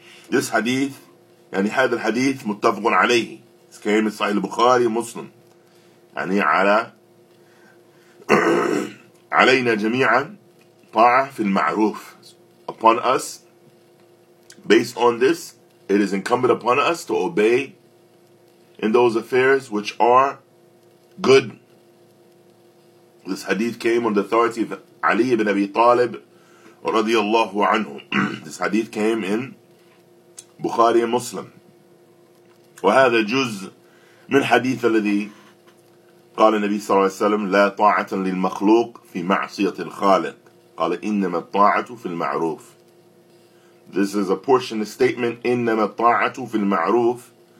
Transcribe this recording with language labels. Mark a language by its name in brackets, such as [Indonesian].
[English] This hadith, [Arabic] يعني هذا الحديث متفق عليه, [English] it came in Sahih Bukhari and Muslim, [Arabic] يعني على علينا جميعا طاعة في المعروف, [English] upon us, based on this, it is incumbent upon us to obey in those affairs which are good. This hadith came on the authority of Ali ibn Abi Talib radiallahu anhu. This hadith came in Bukhari and Muslim. [Arabic] وهذا جزء من حديث الذي قال النبي صلى الله عليه وسلم لا طاعة للمخلوق في معصية الخالق, قال إنما الطاعة في المعروف. [English] This is a portion of statement, [Arabic] إنما الطاعة في المعروف.